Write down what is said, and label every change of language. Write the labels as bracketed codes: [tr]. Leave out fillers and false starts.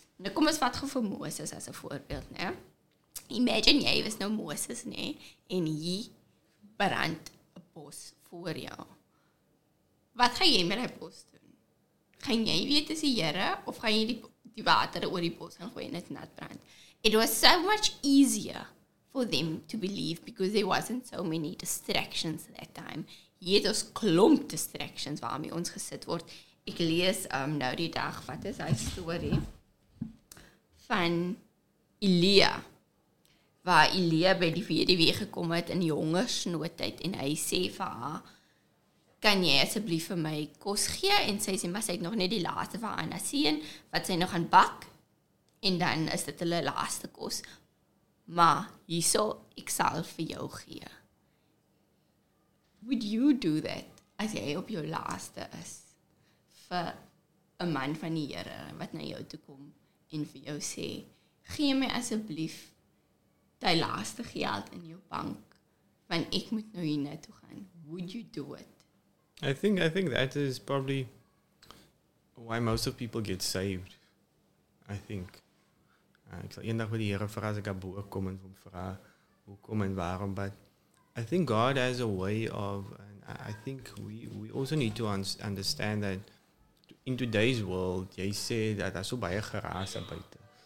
[af] Nou kom ons vat gou vir Moses as 'n voorbeeld, né? Imagine jy was nou Moses, né? En jy brand 'n bos voor jou. Wat gaan jy met die bos doen? Gaan jy weet as die Here, of gaan jy die water oor die bos gooi en dit nat brand? [en] It was so much easier for them to believe, because there wasn't so many distractions at that time. [af] Jy het ons klomp distractions waarmee ons gesit word. Ek lees nou die dag, wat is hy story, van Elia, waar Elia by die weduwee gekom het in die hongersnoodtyd, en hy sê vir haar, kan jy asseblief vir my kos gee, en sy sê, maar sy het nog net die laaste van Anna sien, wat sy nog gaan bak, en dan is dit hulle laaste kos, maar hierso, ek sal vir jou gee. [en] Would you do that, [af] as jy op jou laaste is? A man van die Here wat na jou toe kom en vir jou sê, gee my asseblief die laaste geld in jou bank, want ek moet nou hier na toe gaan. [en] Would you do it? I think that is probably why most of people get saved. I think [af] ek sal eendag met die Here vra as ek daarbo kom en hom vra hoekom en waarom, [en] but I think God has a way of, and I think we also need to understand that in today's world, [af] jy sê dat daar so baie geraas buite.